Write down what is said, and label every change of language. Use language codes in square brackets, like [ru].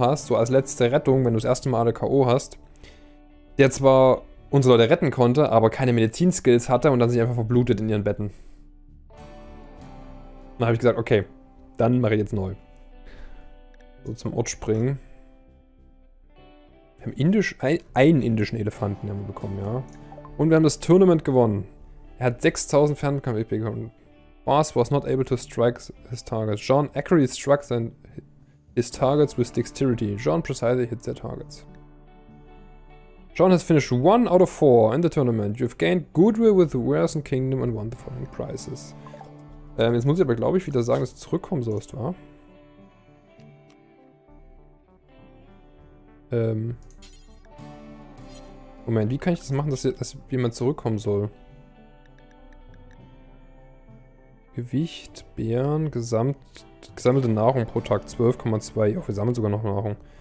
[de] hast, so als letzte Rettung, wenn du das erste Mal alle K.O. hast, der zwar unsere Leute retten konnte, aber keine Medizinskills hatte und dann sich einfach verblutet in ihren Betten. Dann habe ich gesagt, okay, dann mache ich jetzt neu. So zum Ort springen. Wir haben einen indischen Elefanten haben wir bekommen, ja. Und wir haben das Tournament gewonnen. Er hat 6000 Fernkampf-EP bekommen. [en] Bas was not able to strike his targets. John accurately struck his targets with dexterity. John precisely hit their targets. John has finished one out of four in the tournament. You've gained goodwill with the Wares and Kingdom and won the following prizes. [de] Jetzt muss ich aber, glaube ich, wieder sagen, dass du zurückkommen sollst, wa? Moment, wie kann ich das machen, dass jemand zurückkommen soll? Gewicht, Bären, gesammelte Nahrung pro Tag 12,2. Oh, wir sammeln sogar noch Nahrung.